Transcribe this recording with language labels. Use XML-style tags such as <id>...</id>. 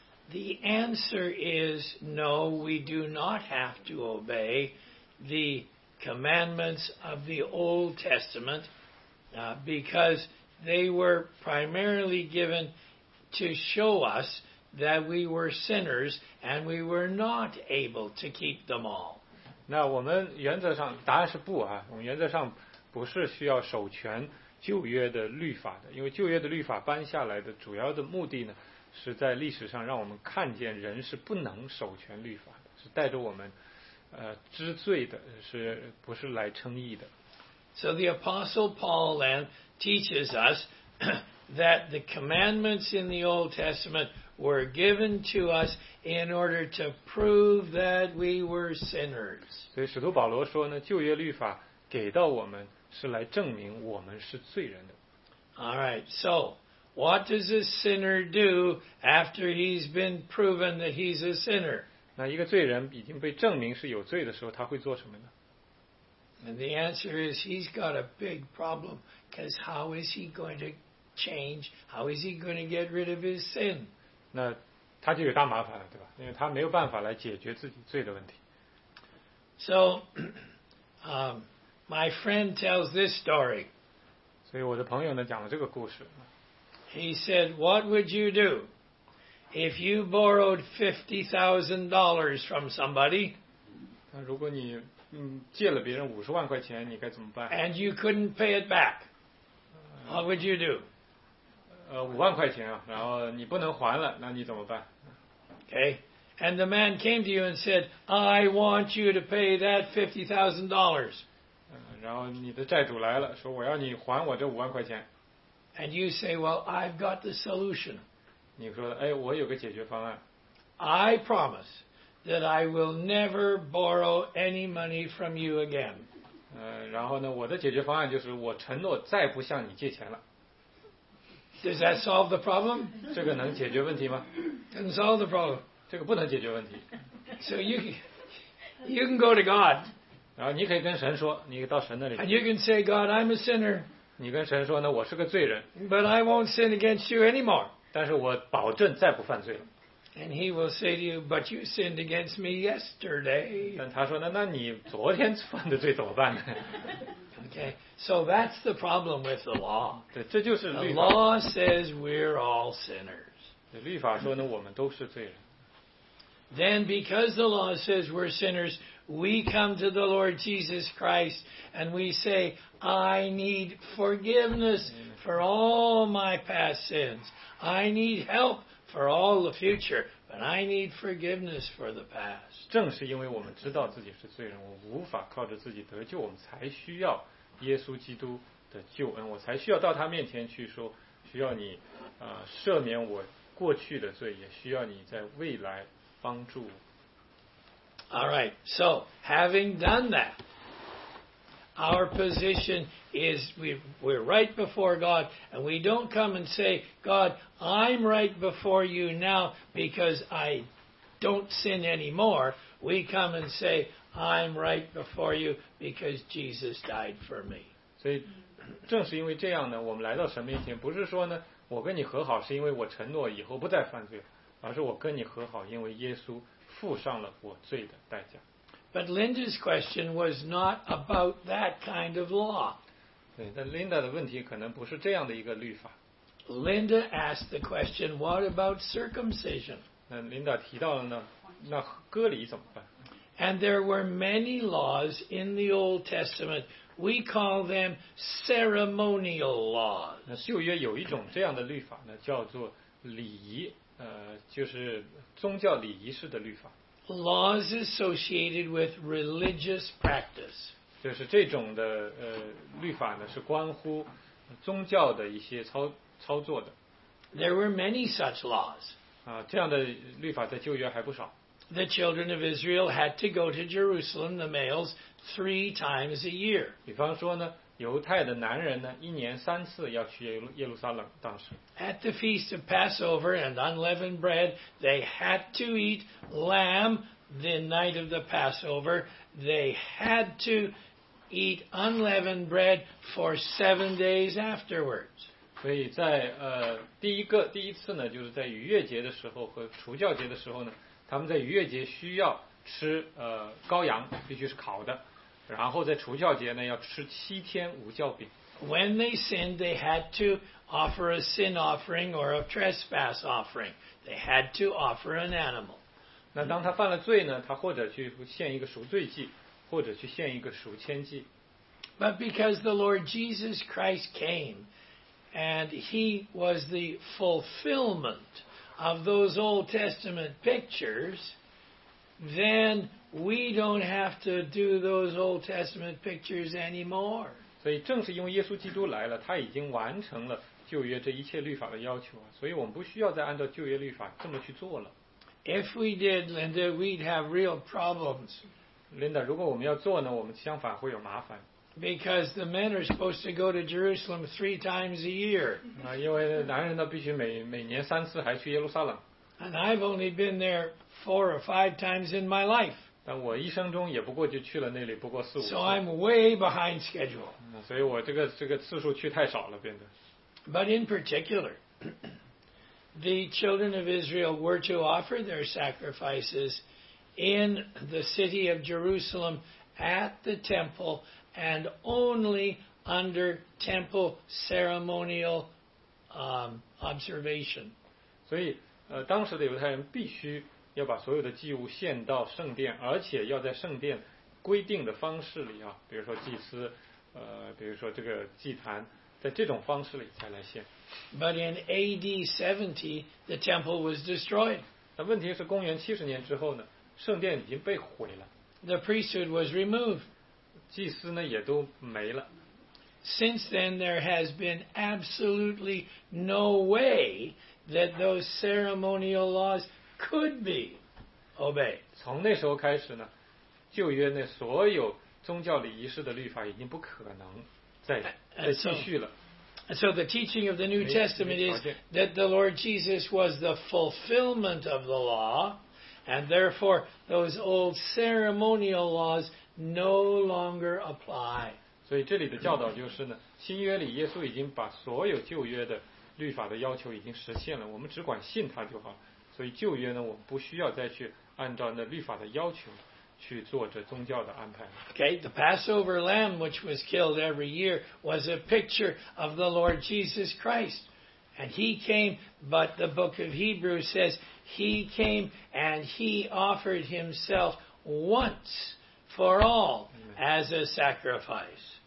<en>The answer is no, we do not have to obey the commandments of the Old Testament because they were primarily given to show us that we were sinners and we were not able to keep them all.</en> <zh>那我们原则上答案是不啊，我们原则上不是需要守全旧约的律法的，因为旧约的律法颁下来的主要的目的呢，是在历史上让我们看见人是不能守全律法的，是带着我们知罪的，是不是来称义的。</zh> <en>So the Apostle Paul then teaches us that the commandments in the Old Testament were given to us in order to prove that we were sinners.</en> <zh>所以使徒保罗说呢，旧约律法给到我们是来证明我们是罪人的。</zh> <en>All right, so what does a sinner do after he's been proven that he's a sinner?</en> <zh>那一个罪人已经被证明是有罪的时候，他会做什么呢？</zh> <en>And the answer is he's got a big problem because how is he going to change? How is he going to get rid of his sin?</en> <zh>那他就有大麻烦了，对吧？因为他没有办法来解决自己罪的问题。</zh> <en>So, my friend tells this story.</en> <zh>所以我的朋友呢讲了这个故事。</zh> <en>He said, "What would you do if you borrowed $50,000 from somebody?"</en> <zh>那如果你借了别人五十万块钱，你该怎么办</zh> <en>？And you couldn't pay it back. What would you do?</en> <zh>五万块钱啊，然后你不能还了，那你怎么办</zh> <en>？Okay. And the man came to you and said, "I want you to pay that $50,000."</en> <zh>然后你的债主来了，说我要你还我这五万块钱。</zh> <en>And you say, "Well, I've got the solution."</en> <zh>你说，哎，我有个解决方案。</zh> <en>I promise that I will never borrow any money from you again.</en> <zh>然后呢，我的解决方案就是我承诺再不向你借钱了。</zh> <en>Does that solve the problem?</en> <zh>这个能解决问题吗？</zh> <en>Doesn't solve the problem.</en> <zh>这个不能解决问题。</zh> <en>So you can go to God.</en> <zh>然后你可以跟神说，你到神那里。</zh> <en>And you can say, "God, I'm a sinner."</en> <zh>你跟神说呢，我是个罪人。</zh> <en>But I won't sin against you anymore.</en> <zh>但是我保证再不犯罪了。</zh> <en>And he will say to you, "But you sinned against me yesterday."</en> <zh>但他说呢，那你昨天犯的罪怎么办呢？</zh> <en>Okay, so that's the problem with the law.</en> <zh>对，这就是律法。</zh> <en>The law says we're all sinners.</en> <zh>对，律法说呢，我们都是罪人。</zh> <en>Then, because the law says we're sinners, we come to the Lord Jesus Christ and we say, "I need forgiveness for all my past sins. I need help for all the future, but I need forgiveness for the past."</en> <zh>正是因为我们知道自己是罪人，我无法靠着自己得救，我们才需要耶稣基督的救恩，我才需要到他面前去说，需要你赦免我过去的罪，也需要你在未来帮助我。</zh> <en>All right. So, having done that, our position is we're right before God, and we don't come and say, "God, I'm right before you now because I don't sin anymore." We come and say, "I'm right before you because Jesus died for me."</en> <zh>所以正是因为这样呢，我们来到神面前，不是说呢，我跟你和好是因为我承诺以后不再犯罪，而是我跟你和好，因为耶稣付上了我罪的代价。</zh> <en>But Linda's question was not about that kind of law.</en> <zh>对，但 Linda 的问题可能不是这样的一个律法。</zh> <en>Linda asked the question, "What about circumcision?"</en> <zh>那 Linda 提到了呢，那割礼怎么办？</zh> <en>And there were many laws in the Old Testament. We call them ceremonial laws.</en> <zh>那旧约有一种这样的律法呢，叫做礼仪。就是宗教礼仪式的律法。</zh> <en>Laws associated with religious practice.</en> <zh>就是这种的律法呢，是关乎宗教的一些操作的。</zh> <en>There were many such laws.</en> <zh>这样的律法在旧约还不少。</zh> <en>The children of Israel had to go to Jerusalem, the males, 3 times a year.</en> <zh>比方说呢，犹太的男人呢，一年三次要去耶路撒冷。当时</zh> <en>at the feast of Passover and unleavened bread, they had to eat lamb the night of the Passover. They had to eat unleavened bread for 7 days afterwards.</en> <zh>所以在第一次呢，就是在逾越节的时候和除酵节的时候呢，他们在逾越节需要吃羔羊，必须是烤的。然后在除酵节呢，要吃7天无酵饼。</zh> <en>When they sinned, they had to offer a sin offering or a trespass offering. They had to offer an animal.</en> <zh>那当他犯了罪呢，他或者去献一个赎罪祭，或者去献一个赎愆祭。</zh> <en>But because the Lord Jesus Christ came, and He was the fulfillment of those Old Testament pictures, then we don't have to do those Old Testament pictures anymore.</en> <zh>所以正是因为耶稣基督来了，他已经完成了旧约这一切律法的要求，所以我们不需要再按照旧约律法这么去做了。</zh> <en>If we did, Linda, we'd have real problems.</en> <zh>Linda, 如果我们要做呢，我们相反会有麻烦。</zh> <en>Because the men are supposed to go to Jerusalem 3 times a year.</en> <zh>因为男人呢必须每年三次还去耶路撒冷。</zh> <en>And I've only been there 4 or 5 times in my life.</en> <zh>但我一生中也不过就去了那里不过4、5次。</zh> <en>So I'm way behind schedule.</en> <zh>所以我这个次数去太少了变得。</zh> <en>But in particular, the children of Israel were to offer their sacrifices in the city of Jerusalem at the temple and only under temple ceremonial observation.</en> <zh>所以当时的犹太人必须要把所有的祭物献到圣殿，而且要在圣殿规定的方式里啊，比如说祭司，比如说这个祭坛，在这种方式里才来献。</zh> <en>But in AD 70, the temple was destroyed.</en> <zh>那问题是公元70年之后呢，圣殿已经被毁了。</zh> <en>The priesthood was removed.</en> <zh>祭司呢也都没了。</zh> <en>Since then, there has been absolutely no way that those ceremonial laws could be obeyed.</en> <zh>从那时候开始呢，旧约那所有宗教礼仪式的律法已经不可能再继续了。</zh> <en>So the teaching of the New Testament is that the Lord Jesus was the fulfillment of the law, and therefore those old ceremonial laws no longer apply.</en> <zh>所以这里的教导就是呢，新约里耶稣已经把所有旧约的律法的要求已经实现了，我们只管信他就好。所以旧约呢，我们不需要再去按照那律法的要求去做这宗教的安排。</zh> <en>Okay, the Passover lamb which was killed every year was a picture of the Lord Jesus Christ. And he came, but the book of Hebrews says he came and he offered himself once for all as a sacrifice.</en>